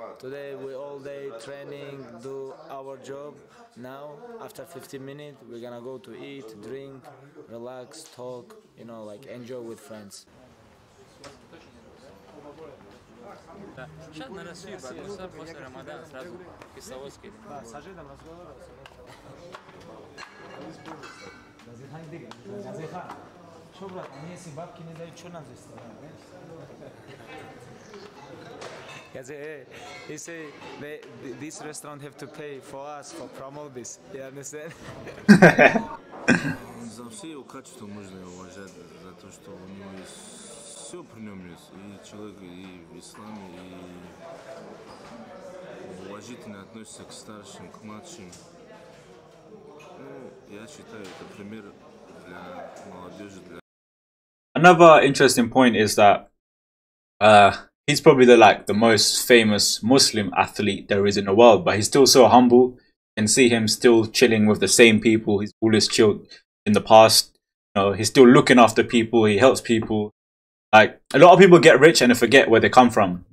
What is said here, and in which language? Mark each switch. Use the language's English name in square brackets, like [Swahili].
[English] Today we all day training, do our job. Now after 15 minutes we're gonna go to eat, drink, relax, talk, you know, like enjoy with friends. [Russian] Сейчас на Россию вернулся после Рамадана сразу в Кисловодске. Да, с Ажидом разговаривался. Что, брат, мне если бабки не дают, что нам здесь делать? [English] He say this restaurant have to pay for us for promote this. You understand? [Russian] За все его качества можно его уважать за то, что у него все при нем есть, и человек, и в исламе, и уважительно относится к старшим, к младшим. Ну, я считаю, это пример для молодежи. Для... [English] Another interesting point is that he's probably the most famous Muslim athlete there is in the world, but he's still so humble. You can see him still chilling with the same people he's always chilled in the past. You know, he's still looking after people, he helps people. Like, a lot of people get rich and forget where they come from.